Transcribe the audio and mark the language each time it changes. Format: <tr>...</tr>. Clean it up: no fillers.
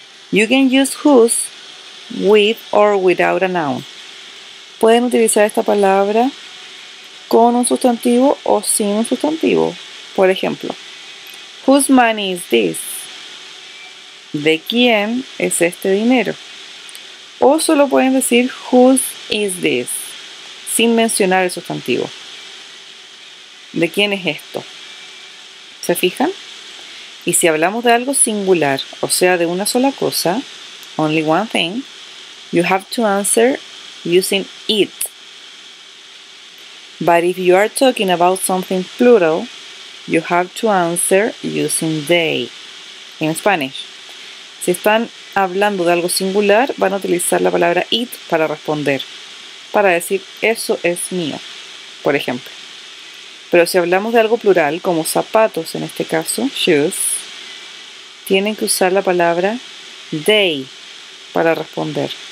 <en>You can use whose with or without a noun.</en> <es>Pueden utilizar esta palabra con un sustantivo o sin un sustantivo. Por ejemplo,</es> <en>whose money is this?</en> <es>¿De quién es este dinero? O solo pueden decir</es> <en>whose is this</en> <es>sin mencionar el sustantivo. ¿De quién es esto? ¿Se fijan? Y si hablamos de algo singular, o sea, de una sola cosa,</es> <en>only one thing, you have to answer using it. But if you are talking about something plural, you have to answer using they. In Spanish.</en> <es>Si están hablando de algo singular, van a utilizar la palabra it para responder. Para decir, eso es mío, por ejemplo. Pero si hablamos de algo plural, como zapatos en este caso, shoes, tienen que usar la palabra they para responder.</es>